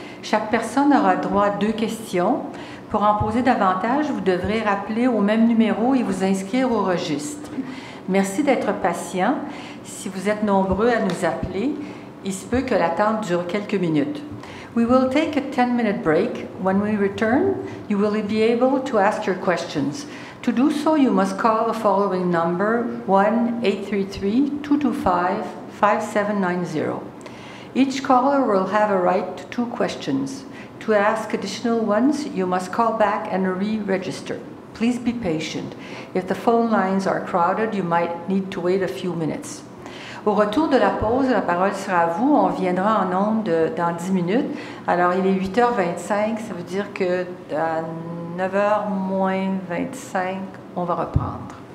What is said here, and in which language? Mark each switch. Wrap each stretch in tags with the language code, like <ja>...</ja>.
<fr>Chaque personne aura droit à deux questions. Pour en poser davantage, vous devrez rappeler au même numéro et vous inscrire au registre. Merci d'être patient. Si vous êtes nombreux à nous appeler, il se peut que l'attente dure quelques minutes.</fr> <en>We will take a 10-minute break. When we return, you will be able to ask your questions. To do so, you must call the following number, 1-833-225-5790. Each caller will have a right to two questions. To ask additional ones, you must call back and re-register. Please be patient. If the phone lines are crowded, you might need to wait a few minutes.</en> <fr>Au retour de la pause, la parole sera à vous. On viendra en ondes dans 10 minutes. Alors, il est 8h25, ça veut dire que à 9h-25, on va reprendre.</fr>